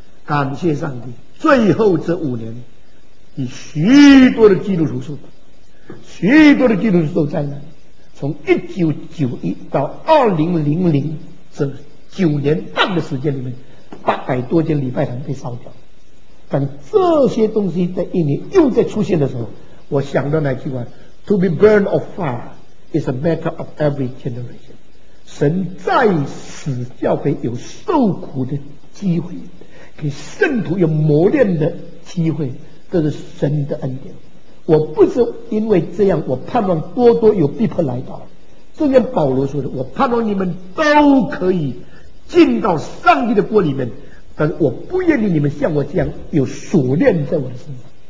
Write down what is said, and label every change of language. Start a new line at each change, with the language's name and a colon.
Chinese: 感谢上帝，最后这5年以许多的基督徒受苦，许多的基督徒受灾难，从1991到2000这9年半的时间里面，800多间礼拜堂被烧掉。但这些东西在印尼又在出现的时候，我想到那句话
English: To be burned of fire is a matter of every generation。
Chinese: 神在使教会有受苦的机会，给圣徒有磨练的机会，这是神的恩典。我不是因为这样我盼望多多有逼迫来到，正像保罗说的，我盼望你们都可以进到上帝的国里面，但是我不愿意你们像我这样有锁链在我的身上。